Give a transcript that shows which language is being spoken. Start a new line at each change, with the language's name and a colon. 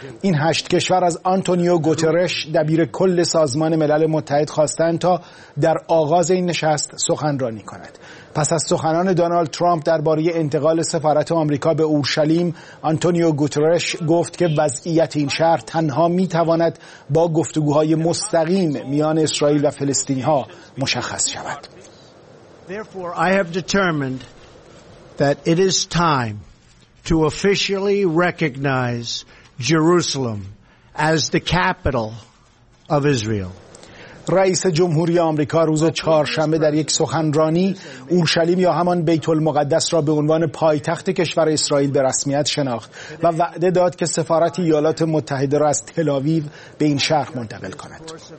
Persian: این 8 کشور از آنتونیو گوترش، دبیر کل سازمان ملل متحد، خواستند تا در آغاز این نشست سخنرانی کند. پس از سخنان دونالد ترامپ درباره انتقال سفارت آمریکا به اورشلیم، آنتونیو گوترش گفت که وضعیت این شهر تنها میتواند با گفتگوهای مستقیم میان اسرائیل و فلسطینی‌ها مشخص شود.
English: Therefore, I have determined that it is time to officially recognize Jerusalem as the capital of Israel.
Persian: رئیس جمهوری آمریکا روز چهارشنبه در یک سخنرانی اورشلیم یا همان بیت المقدس را به عنوان پایتخت کشور اسرائیل به رسمیت شناخت و وعده داد که سفارت ایالات متحده را از تل آویو به این شهر منتقل کند.